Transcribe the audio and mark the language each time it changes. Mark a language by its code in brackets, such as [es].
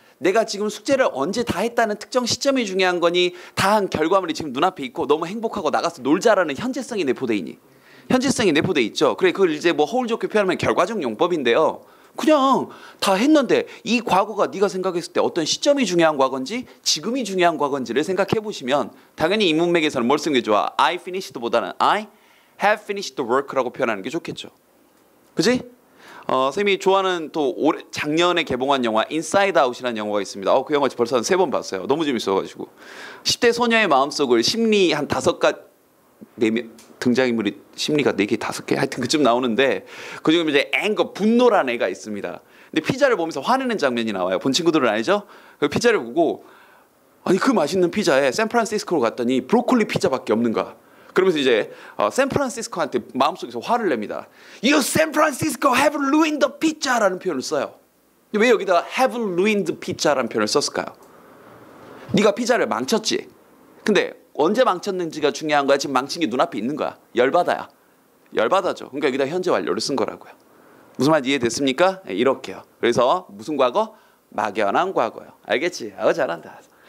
[ko] 내가 지금 숙제를 언제 다 했다는 특정 시점이 중요한 거니 다 한 결과물이 지금 눈앞에 있고 너무 행복하고 나가서 놀자라는 현재성이 내포돼 있니. 현재성이 내포돼 있죠. 그래 그걸 이제 뭐 허울 좋게 표현하면 결과적 용법인데요. 그냥 다 했는데 이 과거가 네가 생각했을 때 어떤 시점이 중요한 과거인지 지금이 중요한 과거인지를 생각해보시면 당연히 이 문맥에서는 뭘 쓰는 게 좋아. [en] I finished [ko] 보다는 [en] I have finished the work라고 [ko] 표현하는 게 좋겠죠. 그치? 쌤이 좋아하는 또 올해 작년에 개봉한 영화 Inside Out이라는 영화가 있습니다. 그 영화 벌써 한 세 번 봤어요. 너무 재밌어가지고. 10대 소녀의 마음속을 심리 한 다섯 가지 4명, 등장인물이 심리가 4개, 5개 하여튼 그쯤 나오는데 그중에 이제 앵거, 분노라는 애가 있습니다. 근데 피자를 보면서 화내는 장면이 나와요. 본 친구들은 아니죠? 그 피자를 보고 아니 그 맛있는 피자에 샌프란시스코로 갔더니 브로콜리 피자밖에 없는가? 그러면서 이제 샌프란시스코한테 마음속에서 화를 냅니다. [en] You Sanfrancisco have ruined the pizza! [ko] 라는 표현을 써요. 왜 여기다가 [en] have ruined pizza! [ko] 라는 표현을 썼을까요? 네가 피자를 망쳤지? 근데 언제 망쳤는지가 중요한 거야. 지금 망친 게 눈앞에 있는 거야. 열받아야. 열받아죠. 그러니까 여기다 현재 완료를 쓴 거라고요. 무슨 말 이해됐습니까? 네, 이렇게요. 그래서 무슨 과거? 막연한 과거요. 알겠지? 잘한다.